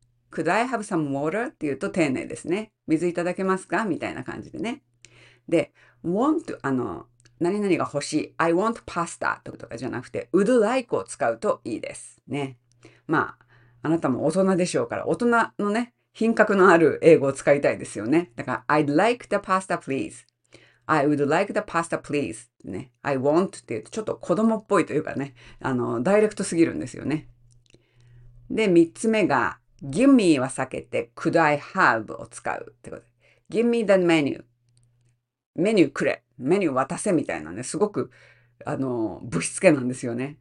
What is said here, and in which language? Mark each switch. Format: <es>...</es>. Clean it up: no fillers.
<en>Could I have some water?</en> <ja>っていうと丁寧ですね。水いただけますか?みたいな感じでね。で、want、何々が欲しい。</ja> <en>I want pasta</en> <ja>とかじゃなくて、would like を使うといいです。ね。まあ、あなたも大人でしょうから、大人のね、品格のある英語を使いたいですよね。</ja> <en>だから、I'd like the pasta, please. I would like the pasta, please.</en> <ja>ね。 I want って言うと、ちょっと子供っぽいというかね、ダイレクトすぎるんですよね。で、3つ目が、give me は避けて、could I have を使うってこと。</ja> <en>give me the menu。</en> <ja>メニューくれ。メニュー渡せみたいなね。すごく、ぶしつけなんですよね。</ja>